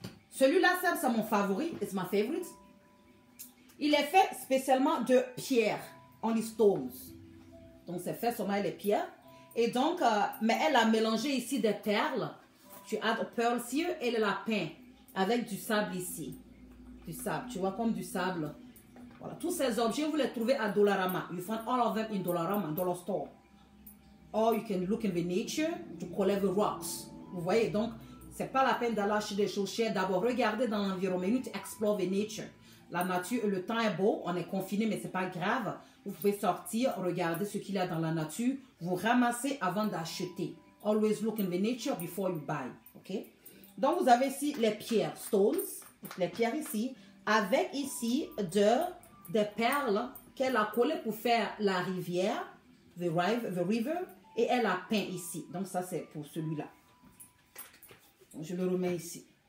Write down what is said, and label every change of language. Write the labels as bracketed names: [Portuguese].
[French] Celui-là, c'est mon favori. [English] It's my favorite. [French] Il est fait spécialement de pierre. [English] Only stones. [French] Donc, c'est fait seulement les pierres. Et donc, mais elle a mélangé ici des perles. Tu as [English] pearls here. [French] Elle l'a peint avec du sable ici. Du sable. Tu vois comme du sable. Voilà. Tous ces objets, vous les trouvez à Dollarama. [English] You find all of them in Dollarama, dollar store. Or you can look in the nature to collect the rocks. [French] Vous voyez, donc, c'est pas la peine d'aller acheter des choses chères. D'abord, regardez dans l'environnement. [English] Explore the nature. [French] La nature, le temps est beau. On est confiné, mais c'est pas grave. Vous pouvez sortir, regarder ce qu'il y a dans la nature. Vous ramassez avant d'acheter. [English] Always look in the nature before you buy. [French] OK? Donc, vous avez ici les pierres. Stones. Les pierres ici. Avec ici des perles qu'elle a collées pour faire la rivière. [English] The river. [French] Et elle a peint ici. Donc, ça, c'est pour celui-là. Je le remets ici.